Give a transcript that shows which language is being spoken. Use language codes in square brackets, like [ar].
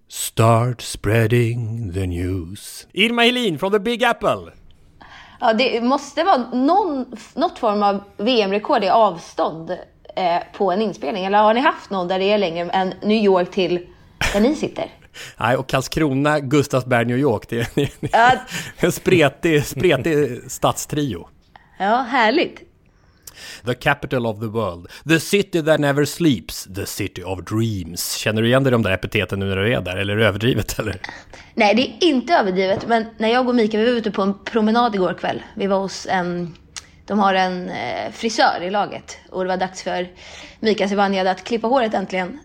[en] Start spreading the news. [sv] Irma Helin från The Big Apple. Ja, det måste vara något form av VM-rekord i avstånd på en inspelning. Eller har ni haft någon där det är längre än New York till där ni sitter? Nej, och Karlskrona, Gustavsberg, New York. Det är en spretig stadstrio. Ja, härligt. [en] The capital of the world. The city that never sleeps. The city of dreams. [sv] Känner du igen dig de där epiteten nu när du är där? Eller är det överdrivet? Eller? Nej, det är inte överdrivet. Men när jag och Mika, vi var ute på en promenad igår kväll. Vi var hos en... De har en frisör i laget. Och det var dags för Mika Sivanja att klippa håret äntligen.